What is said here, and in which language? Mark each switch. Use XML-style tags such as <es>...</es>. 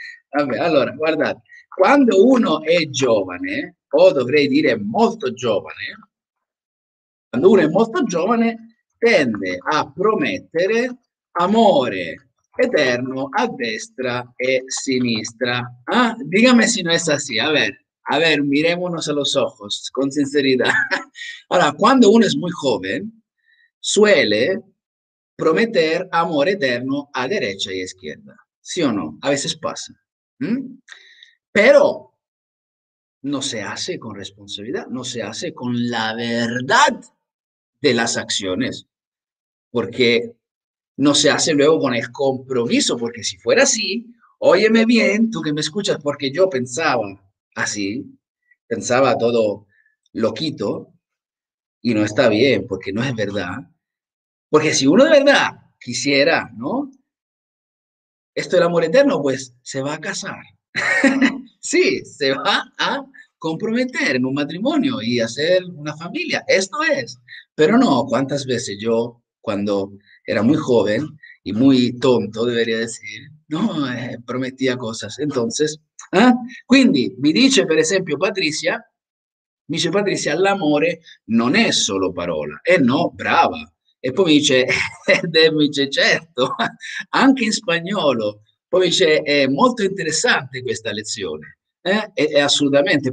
<it>Vabbè, allora, guardate, quando uno è giovane, o dovrei dire molto giovane, quando uno è molto giovane, tende a promettere amore eterno a destra e sinistra.</it> <es>Ah, dígame si no es así. A ver, miremonos a los ojos con sinceridad. Ahora, cuando uno es muy joven, suele prometer amor eterno a derecha y izquierda. ¿Sí o no? A veces pasa. Pero no se hace con responsabilidad, no se hace con la verdad de las acciones. Porque no se hace luego con el compromiso, porque si fuera así, óyeme bien, tú que me escuchas, porque yo pensaba así, pensaba todo loquito, y no está bien, porque no es verdad. Porque si uno de verdad quisiera, ¿no? Esto del amor eterno, pues se va a casar. Sí, se va a comprometer en un matrimonio y hacer una familia, esto es. Pero no, ¿cuántas veces yo cuando era muy joven y muy tonto, debería decir, ¿no? Prometía cosas.</es> <it>Entonces, quindi mi dice, per esempio, Patricia, mi dice Patricia, l'amore non è solo parola. E no, brava. E poi mi dice, certo, anche in spagnolo. Poi mi dice, è molto interessante questa lezione. E assolutamente.</it>